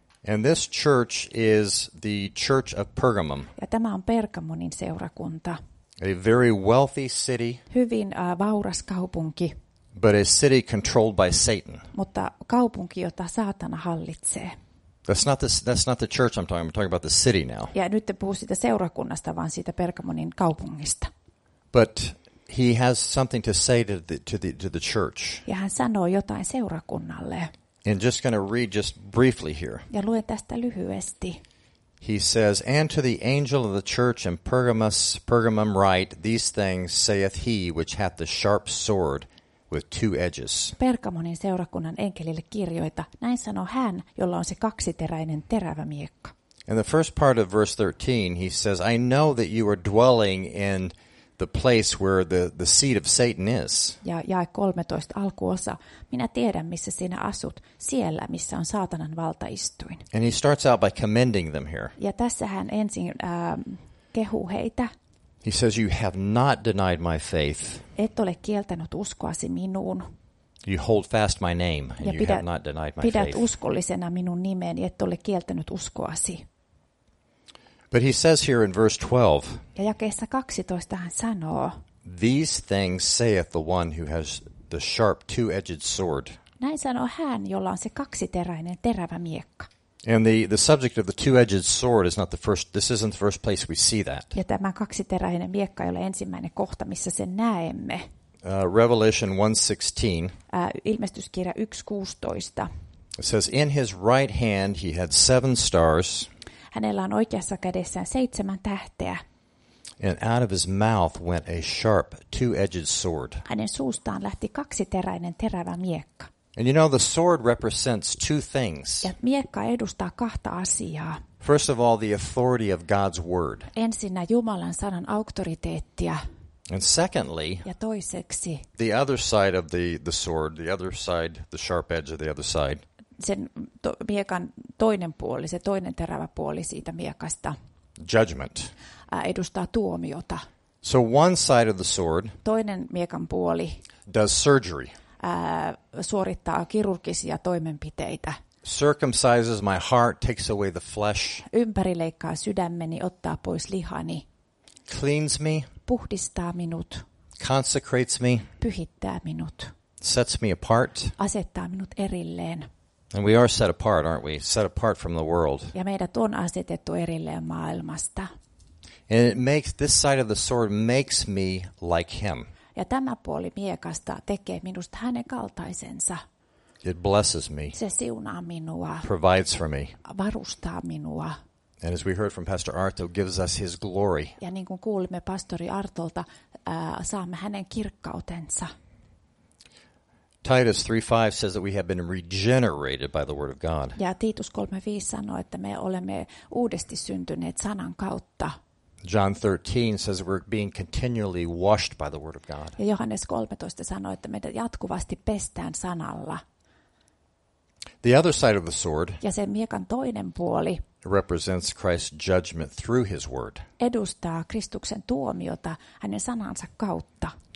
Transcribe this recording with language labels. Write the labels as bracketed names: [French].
[English] And this church is the Church of Pergamum. [Finnish] Ja tämä on Pergamonin seurakunta. [English] A very wealthy city. [Finnish] Hyvin vauras kaupunki. [English] But a city controlled by Satan. [Finnish] Mutta kaupunki, jota Saatana hallitsee. [English] That's not the church I'm talking about. I'm talking about the city now. [Finnish] Ja nyt en puhu siitä seurakunnasta, vaan siitä Pergamonin kaupungista. [English] But he has something to say to the church. [Finnish] Ja hän sanoo jotain seurakunnalle. [English] And just going to read just briefly here. [Finnish] Ja luen tästä lyhyesti. [English] He says, "And to the angel of the church in Pergamum write, these things saith he which hath the sharp sword with two edges." [Finnish] Pergamonin seurakunnan enkelille kirjoita, näin sanoo hän, jolla on se kaksiteräinen terävä miekka. [English] In the first part of verse 13, he says, "I know that you are dwelling in the place where the seat of Satan is." [Finnish] Ja jae 13 alkuosa. Minä tiedän missä sinä asut, siellä missä on Saatanan valtaistuin. [English] And he starts out by commending them here. [Finnish] Ja tässä hän ensin kehuu heitä. [English] He says, "You have not denied my faith." [Finnish] Et ole kieltänyt uskoasi minuun. [English] "You hold fast my name and you have not denied my [Finnish] Pidät uskollisena minun nimeeni, et ole kieltänyt uskoasi. [English] But he says here in verse 12. [Finnish] Ja jakeessa 12 hän sanoo. [English] "These things saith the one who has the sharp two-edged sword." [Finnish] Näin sanoo hän, jolla on se kaksiteräinen terävä miekka. [English] And the subject of the two-edged sword is not the first. This isn't the first place we see that. [Finnish] Ja tämä kaksiteräinen miekka ei ole ensimmäinen kohta, missä sen näemme. [English] Revelation 1:16. [Finnish] Ilmestyskirja 1:16. [English] It says, "In his right hand he had seven stars." [Finnish] Hänellä on oikeassa kädessään seitsemän tähteä. [English] And out of his mouth went a sharp two-edged sword. [Finnish] Hänen suustaan lähti kaksiteräinen terävä miekka. [English] And you know the sword represents two things. [Finnish] Ja miekka edustaa kahta asiaa. [English] First of all, the authority of God's word. [Finnish] Ensinnä Jumalan sanan auktoriteettia. [English] And secondly, [Finnish] ja toiseksi, [English] the other side of the sword, the other side, the sharp edge of the other side. [Finnish] Sen miekan toinen puoli, se toinen terävä puoli siitä miekasta. [English] Judgment. [Finnish] Edustaa tuomiota. [English] So one side of the sword. [Finnish] Toinen miekan puoli. [English] Does surgery. [Finnish] Suorittaa kirurgisia toimenpiteitä. [English] Circumcises my heart, takes away the flesh. [Finnish] Ympärileikkaa sydämeni, ottaa pois lihani. [English] Cleans me. [Finnish] Puhdistaa minut. [English] Consecrates me. [Finnish] Pyhittää minut. [English] Sets me apart. [Finnish] Asettaa minut erilleen. [English] And we are set apart, aren't we? Set apart from the world. [Finnish] Ja meidät on asetettu erilleen maailmasta. [English] And it makes this side of the sword makes me like him. [Finnish] Ja tämä puoli miekasta tekee minusta hänen kaltaisensa. [English] It blesses me. [Finnish] Se siunaa minua. [English] Provides for me. [Finnish] Varustaa minua. [English] And as we heard from Pastor Arto, gives us his glory. [Finnish] Ja niin kuin kuulimme pastori Artolta, saamme hänen kirkkautensa. [English] Titus 3:5 says that we have been regenerated by the word of God. [Finnish] Ja Titus 3:5 sanoo, että me olemme uudesti syntyneet sanan kautta. [English] John 13 says we're being continually washed by the word of God. [Finnish] Ja Johannes 13 sanoo, että meidät jatkuvasti pestään sanalla. [English] The other side of the sword. [Finnish] Ja sen miekan toinen puoli. [English] Represents Christ's judgment through his word. [Finnish] Edustaa Kristuksen tuomiota hänen sanansa kautta.